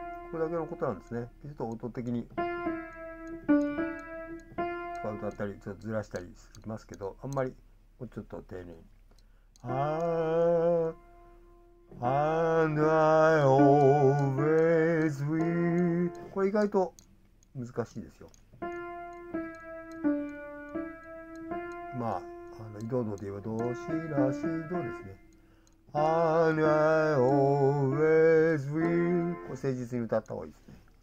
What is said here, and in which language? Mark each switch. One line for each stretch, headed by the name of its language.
Japanese: これだけのことなんですね。ちょっと音的に。歌ったりちょっとずらしたりしますけど、あんまりもうちょっと丁寧に。
English: ああ And I always will。
Japanese: これ意外と難しいですよ。まあ、ドで言えばドシラシドですね。
English: And I always will。
Japanese: これ誠実に歌った方がいいですね。